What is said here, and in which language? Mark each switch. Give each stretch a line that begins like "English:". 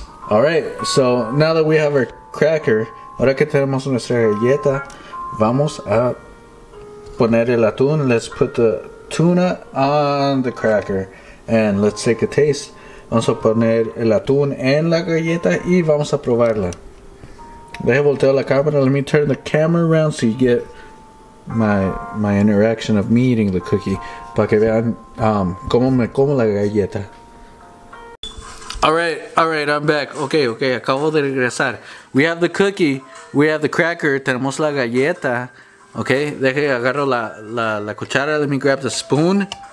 English: Alright, so now that we have our cracker,
Spanish: ahora que tenemos nuestra galleta, vamos a poner el atún.
English: Let's put the tuna on the cracker and let's take a taste.
Spanish: Vamos a poner el atún en la galleta y vamos a probarla. Deje voltear la cámara.
English: Let me turn the camera around so you get my interaction of me eating the cookie.
Spanish: Para que vean cómo me como la galleta.
English: All right, I'm back. Okay,
Spanish: acabo de regresar.
English: We have the cookie, we have the cracker,
Spanish: tenemos la galleta.
English: Okay,
Spanish: deje, agarro la cuchara,
English: let me grab the spoon.